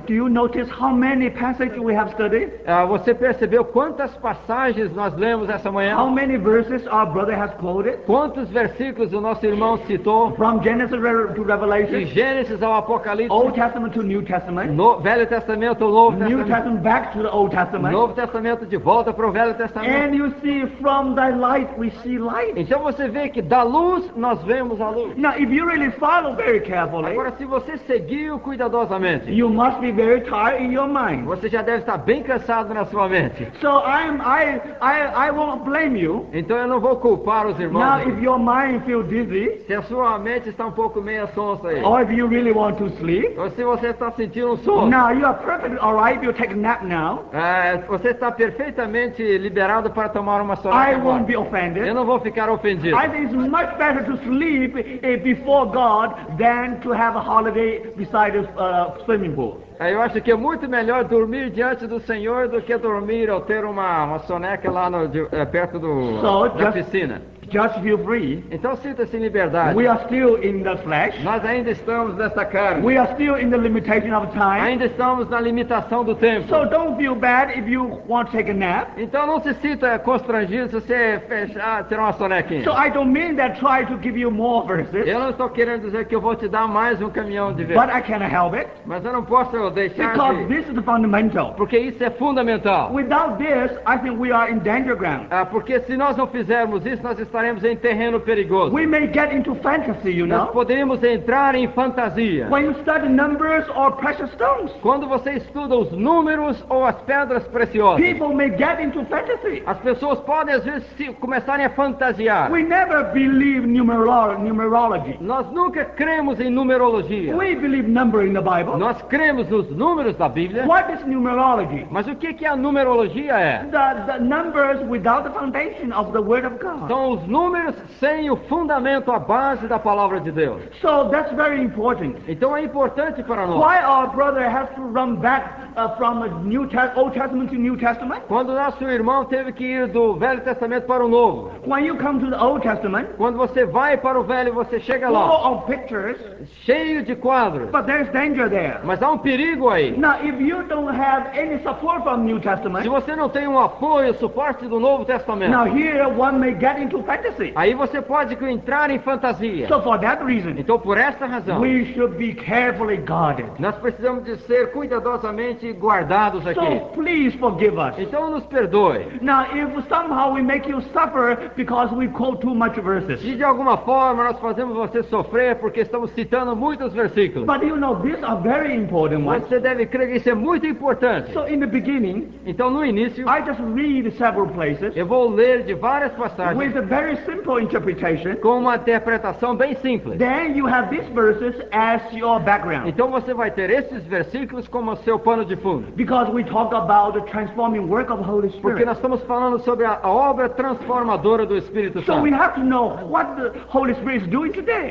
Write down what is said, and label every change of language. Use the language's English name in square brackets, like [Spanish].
[English] Do you notice how many passages we have studied? [Portuguese] Você percebeu quantas passagens nós lemos essa manhã? [English] How many verses our brother has quoted? [Portuguese] Quantos versículos o nosso irmão citou? [English] From Genesis to Revelation. [Portuguese] De Gênesis ao Apocalipse. [English] Old Testament to New Testament. [Portuguese] Velho Testamento ao Novo Testamento. [English] New Testament back to the Old Testament. [Portuguese] Novo Testamento de volta para o Velho Testamento. [English] And you see from the light we see light. [Portuguese] Então você vê que da luz nós vemos a luz. [English] Now if you really follow very carefully. [Portuguese] Agora se você seguiu cuidadosamente. [English] You must be very tired in your mind. [Portuguese] Você já deve estar bem cansado na sua mente. [English] So I won't blame you. [Portuguese] Então eu não vou culpar os irmãos. [English] Now if your mind feels dizzy, [Portuguese] se a sua mente está um pouco meia sonsa aí. [English] Or if you really want to sleep, [Portuguese] ou se você está sentindo sono. [English] Now you are perfectly all right. You take a nap now. [Portuguese] Você está perfeitamente liberado para tomar uma soneca. [English] I won't be offended. [Portuguese] Eu não vou ficar ofendido. [English] I think it's much better to sleep before God than to have a holiday beside a swimming pool. [Portuguese] Eu acho que é muito melhor dormir diante do Senhor do que dormir ou ter uma soneca lá no, perto da piscina. [English] Just feel free. [Portuguese] Então sinta-se em liberdade. [English] We are still in the flesh. [Portuguese] Nós ainda estamos nesta carne. [English] We are still in the limitation of time. [Portuguese] Ainda estamos na limitação do tempo. [English] So don't feel bad if you want to take a nap. [Portuguese] Então não se sinta constrangido se você fechar, ter uma sonequinha. [English] So I don't mean that try to give you more verses. [Portuguese] Eu não estou querendo dizer que eu vou te dar mais caminhão de verses. [English] But I can't help it. [Portuguese] Mas eu não posso deixar. [English] Because [Portuguese] de... [English] this is the fundamental. [Portuguese] Porque isso é fundamental. [English] Without this, I think we are in danger ground. [Portuguese] Porque se nós não fizermos isso, nós estaremos em terreno perigoso. [English] We may get into fantasy, you know? [Portuguese] Nós poderíamos entrar em fantasia. [English] When you study numbers or precious stones. [Portuguese] Quando você estuda os números ou as pedras preciosas. [English] People may get into fantasy. [Portuguese] As pessoas podem às vezes começarem a fantasiar. [English] We never believe numerology. [Portuguese] Nós nunca cremos em numerologia. [English] We believe number in the Bible. [Portuguese] Nós cremos nos números da Bíblia. [English] What is numerology? [Portuguese] Mas o que que a numerologia é? [English] The numbers without the foundation of the word of God. [Portuguese] São os números sem o fundamento, a base da palavra de Deus. [English] So that's very important. [Portuguese] Então é importante para nós. [English] Why our brother has to run back from a New Old Testament to New Testament? [Portuguese] Quando nosso irmão teve que ir do Velho Testamento para o Novo. [English] When you come to the Old Testament. [Portuguese] Quando você vai para o Velho, você chega lá. [English] Full of pictures. [Portuguese] Cheio de quadros. [English] But there's danger there. [Portuguese] Mas há perigo aí. [English] Now, if you don't have any support from New Testament. [Portuguese] Se você não tem apoio, suporte do Novo Testamento. [English] Now here one may get into fantasy. [Portuguese] Aí você pode entrar em fantasia. [English] So for that reason. [Portuguese] Então por essa razão. [English] We should be carefully guarded. [Portuguese] Nós precisamos de ser cuidadosamente guardados aqui. [English] So please forgive us. [Portuguese] Então nos perdoe. [English] Now if somehow we make you suffer because we quote too much verses. [Portuguese] Se de alguma forma nós fazemos você sofrer porque estamos citando muitos versículos. [English] But you know these are very important ones. [Portuguese] Você deve crer que isso é muito importante. [English] So in the beginning. [Portuguese] Então no início. [English] I just read several places. [Portuguese] Eu vou ler de várias passagens. [English] With a very simple interpretation. [Portuguese] Com uma interpretação bem simples. [English] Then you have these verses as your background. [Portuguese] Então você vai ter esses versículos como seu pano de fundo. [English] Because we talk about the transforming work of the Holy Spirit. [Portuguese] Porque nós estamos falando sobre a obra transformadora do Espírito Santo. [English] So we have to know what the Holy Spirit is doing today.